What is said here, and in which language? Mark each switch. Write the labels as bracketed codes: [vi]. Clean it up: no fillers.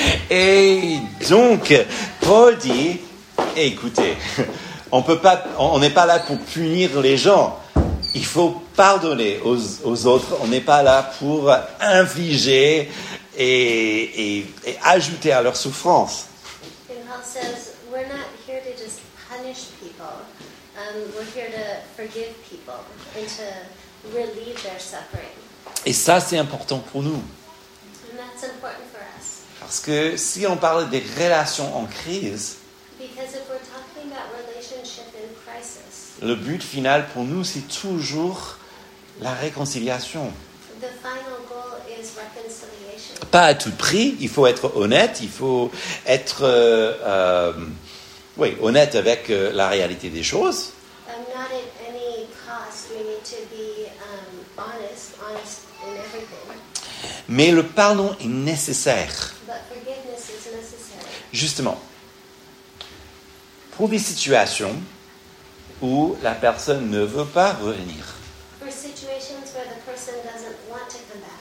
[fr] Et donc, Paul dit, écoutez, on n'est pas là pour punir les gens. Il faut pardonner aux autres. On n'est pas là pour infliger et ajouter à leur souffrance. [en] And Paul says, we're not here to just punish people. We're here to forgive people and to relieve their suffering. [fr] Et ça, c'est important pour nous. [en] And that's important for us. [fr] Parce que si on parle des relations en crise, [en] because if we're talking about relationship in crisis, [fr] le but final pour nous, c'est toujours la réconciliation. [en] The final goal is reconciliation. [fr] Pas à tout prix, il faut être honnête, il faut être... honnête avec la réalité des choses. [en] Not at any cost. We need to be honest in everything. [fr] Mais le pardon est nécessaire. [en] But forgiveness is necessary. [fr] Justement, pour des situations où la personne ne veut pas revenir. [en] For situations where the person doesn't want to come back.